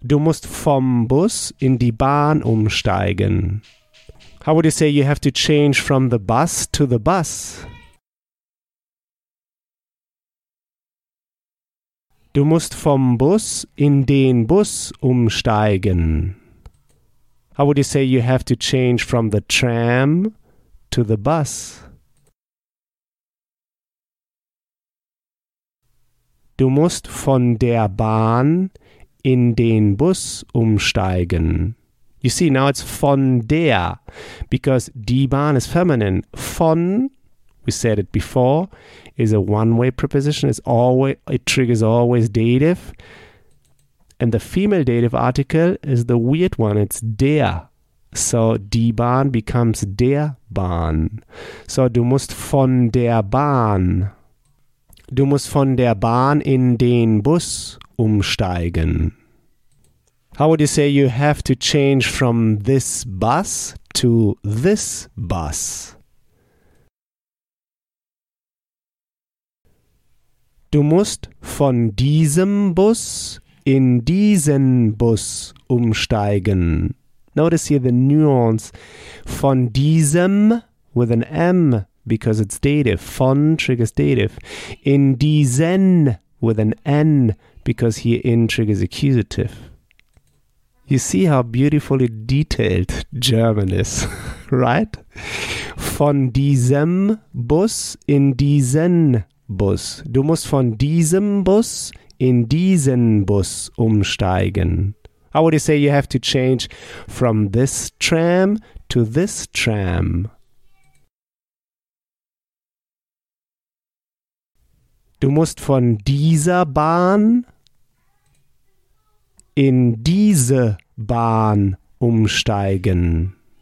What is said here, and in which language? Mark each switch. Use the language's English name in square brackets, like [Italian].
[German] Du musst vom Bus in die Bahn umsteigen. [English] How would you say you have to change from the bus to the bus? [German] Du musst vom Bus in den Bus umsteigen. [English] How would you say you have to change from the tram to the bus? [German] Du musst von der Bahn in den Bus umsteigen. [English] You see, now it's [German] von der, [English] because [German] die Bahn [English] is feminine. Von, we said it before, is a one-way preposition. It triggers always dative. And the female dative article is the weird one. It's der. So [German] die Bahn [English] becomes [German] der Bahn. So du musst von der Bahn. Du musst von der Bahn in den Bus umsteigen. [English] How would you say you have to change from this bus to this bus? [German] Du musst von diesem Bus in diesen Bus umsteigen. [English] Notice here the nuance. Von diesem with an M because it's dative. Von triggers dative. [German] In diesen [English] with an N because here in triggers accusative. You see how beautifully detailed German is, right? [German] Von diesem Bus in diesen Bus. Du musst von diesem Bus in diesen Bus umsteigen. [English] How would you say you have to change from this tram to this tram? [German] Du musst von dieser Bahn in diese Bahn umsteigen.